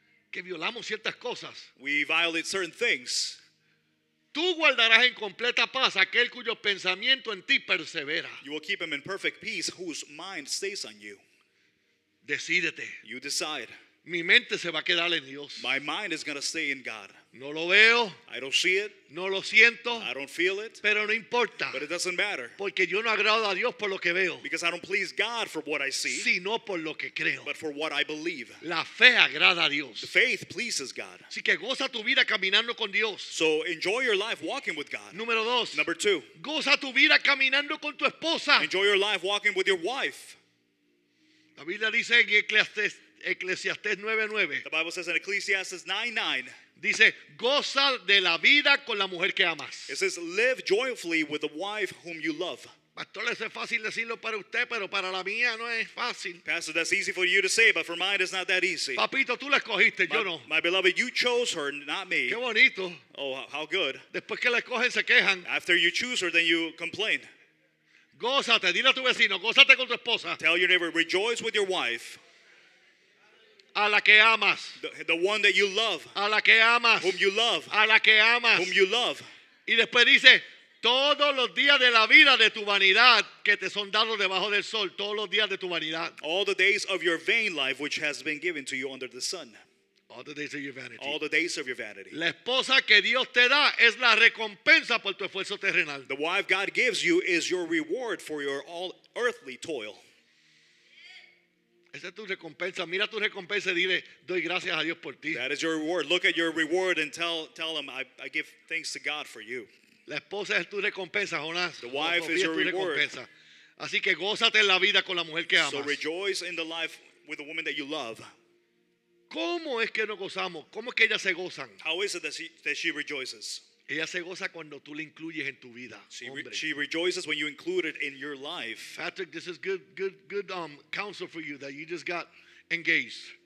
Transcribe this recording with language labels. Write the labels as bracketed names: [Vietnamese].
[Spanish] Que violamos ciertas cosas. [English] We violate certain things. [Spanish] Tú guardarás en completa paz aquel cuyo pensamiento en ti persevera. [English] You will keep him in perfect peace whose mind stays on you. [Spanish] Decídete. [English] You decide. [Spanish] Mi mente se va a quedar en Dios. [English] My mind is going to stay in God. [Spanish] No lo veo. [English] I don't see it. [Spanish] No lo siento. [English] I don't feel it. [Spanish] Pero no importa. [English] But it doesn't matter. [Spanish] Porque yo no agrado a Dios por lo que veo. [English] Because I don't please God for what I see. [Spanish] Sino por lo que creo. [English] But for what I believe. [Spanish] La fe agrada a Dios. [English] The faith pleases God. [Spanish] Así que goza tu vida caminando con Dios. [English] So enjoy your life walking with God. [Spanish] Número dos. [English] Number two. [Spanish] Goza tu vida caminando con tu esposa. [English] Enjoy your life walking with your wife. [Spanish] La Biblia dice en Eclesiastes 9:9. [English] The Bible says in Ecclesiastes 9:9. [Spanish] Dice, goza de la vida con la mujer que amas. [English] It says, live joyfully with the wife whom you love. [Spanish] Pastor, es fácil decirlo para usted, pero para la mía no es fácil. [English] Pastor, that's easy for you to say, but for mine it's not that easy. [Spanish] Papito, tú la escogiste, yo no. [English] My beloved, you chose her, not me. [Spanish] Qué bonito. [English] Oh, how good. [Spanish] Después que la escogen, se quejan. [English] After you choose her, then you complain. [Spanish] Gózate, dile a tu vecino, gózate con tu esposa. [English] Tell your neighbor, rejoice with your wife. [Spanish] A la que amas. [English] The one that you love. [Spanish] A la que amas. [English] Whom you love. [Spanish] A la que amas. [English] Whom you love. [Spanish] Y después dice, todos los días de la vida de tu vanidad que te son dados debajo del sol. Todos los días de tu vanidad. [English] All the days of your vain life which has been given to you under the sun. All the days of your vanity. All the days of your vanity. [Spanish] La esposa que Dios te da es la recompensa por tu esfuerzo terrenal. [English] The wife God gives you is your reward for your all earthly toil. [Spanish] Esa es tu recompensa. Mira tu recompensa y dile, doy gracias a Dios por ti. [English] That is your reward. Look at your reward and tell him, I give thanks to God for you. [Spanish] La esposa es tu recompensa, Jonás. [English] The wife is your reward. [Spanish] Así que gózate en la vida con la mujer que amas. [English] So rejoice in the life with the woman that you love. [Spanish] ¿Cómo es que no gozamos? ¿Cómo es que ellas se gozan? [English] How is it that she rejoices? [Spanish] Ella se goza cuando tú la incluyes en tu vida. [English] She rejoices when you include it in your life. Patrick, this is good counsel for you that you just got engaged.